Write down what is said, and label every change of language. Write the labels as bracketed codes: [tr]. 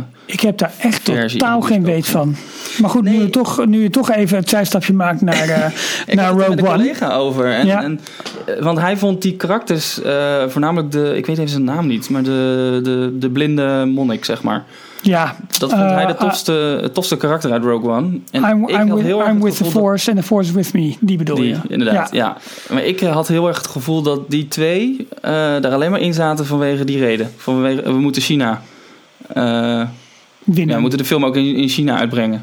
[nl] Ik heb daar echt totaal geen weet van. Maar goed, nee. nu je toch even het zijstapje maakt naar Rogue One. Ik naar had het met een collega over. En, ja. en, want hij vond die karakters, voornamelijk de, ik weet even zijn naam niet, maar de blinde monnik zeg maar. Ja. Dat vond hij de tofste karakter uit Rogue One. [en] En I'm with the Force and the Force is with me. [nl] Die bedoel je. Inderdaad, ja. Maar ik had heel erg het gevoel dat die twee daar alleen maar in zaten vanwege die reden. We moeten China winnen. Ja, we moeten de film ook in China uitbrengen.